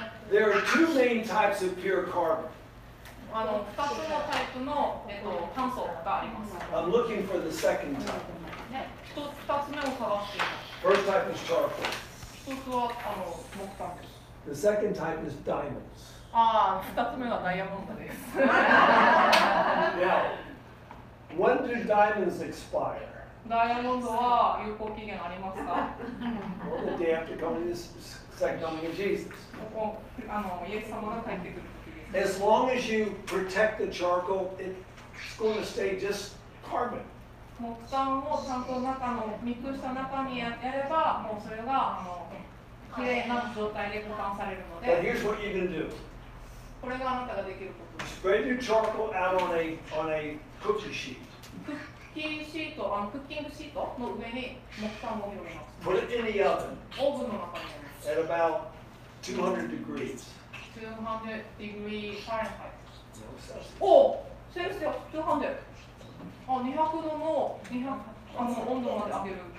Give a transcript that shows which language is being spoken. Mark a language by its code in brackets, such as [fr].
[en] There are two main types of pure carbon. [ja] あの2つのタイプの炭素があります。 [en] I'm looking for the second type. [ja] 2つ目を探しています。 [en] First type is charcoal. [ja] 1つはあの木炭です。 [en] The second type is diamonds. [ja] ああ、2つ目はダイヤモンドです。 [en] Now, when do diamonds expire? [ja] ダイヤモンドは有効期限ありますか [en] Well, the day after coming, the second coming of Jesus. [ja] ここあのイエス様が帰ってくる。 [en] As long as you protect the charcoal, it's going to stay just carbon. [ja] 木炭をちゃんと中の密封した中にやればもうそれがあの綺麗な状態で保管されるので。 [en] But here's what you can do. [ja] これがあなたができること。 [en] Spread your charcoal out on a cookie sheet. [ja] クッキングシートの上に木炭を広げます。 [en] Put it in the oven. [ja] オーブンの中に。 [en] At about 200 degrees. 200 degree Fahrenheit. Oh, Celsius 200. [ja] Ah, 200度の200あの温度まで上げる。